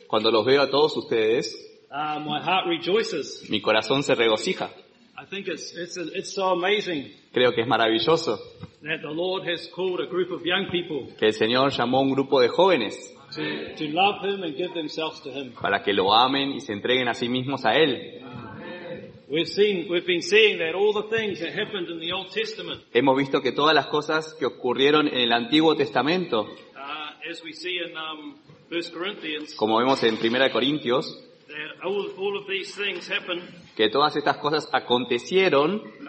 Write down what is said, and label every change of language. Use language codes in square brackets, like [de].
[es] cuando los veo a todos ustedes, [en] my heart rejoices. [es] Mi corazón se regocija. [en] I think it's so amazing. [es] Creo que es maravilloso. [en] That the Lord has called a group of young people. [es] Que el Señor llamó un grupo de jóvenes. [en] To love him and give themselves to him. [es] Para que lo amen y se entreguen a sí mismos a él. [en] We've been seeing that all the things that happened in the Old Testament. [es] Hemos visto que todas las cosas que ocurrieron en el Antiguo Testamento. [en] As we see in 1 Corinthians. [es] Como vemos en 1 Corintios. [en] All of these things happen. [es] Que todas estas cosas acontecieron.